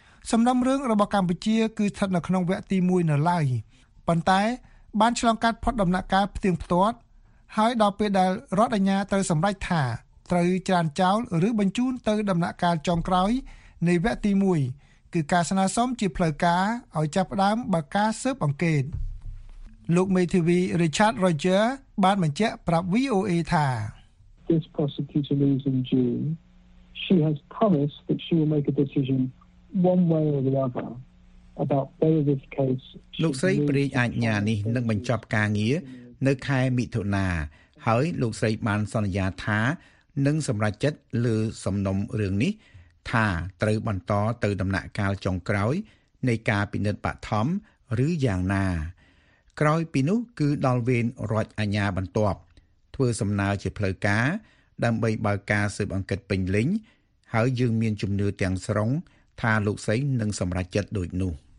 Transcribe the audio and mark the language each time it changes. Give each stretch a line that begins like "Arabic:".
Khmer: សំណុំរឿងរបស់កម្ពុជាគឺស្ថិតនៅក្នុងវគ្គទី1នៅឡើយប៉ុន្តែបានឆ្លងកាត់ផុតដំណាក់កាលផ្ទៀងផ្ទាត់ហើយដល់ពេលដែលរដ្ឋអាជ្ញាត្រូវសម្រេចថាត្រូវច្រានចោលឬបញ្ជូនទៅដំណាក់កាលចុងក្រោយនៃវគ្គទី1គឺការស្នើសុំជាផ្លូវការឲ្យចាប់ផ្ដើមបើកការស៊ើបអង្កេតលោកមេធាវី Richard Roger បានបញ្ជាក់ប្រាប់ VOA ថា
English: This prosecutor is in June. She has promised that she will make a decision one way or the other about whether this case
Khmer: លោកស្រីព្រៃអាជ្ញានេះនឹងបញ្ចប់ការងារនៅខែមិថុនាហើយលោកស្រីបានសន្យាថានឹងសម្រេចចិត្តលើសំណុំរឿងនេះថាត្រូវបន្តទៅដំណាក់កាលចុងក្រោយនៃការពិនិត្យបឋមឬយ៉ាងណាក្រោយពីនោះគឺដល់វេនរដ្ឋអាជ្ញាបន្ទាប់ធ្វើសំណើជាផ្លូវការដើម្បីបើកការស៊ើបអង្កេតពេញលេញហើយយើងមានជំនឿទាំងស្រុងថាលោកសេងនឹងសម្រេចចិត្តដូចនោះ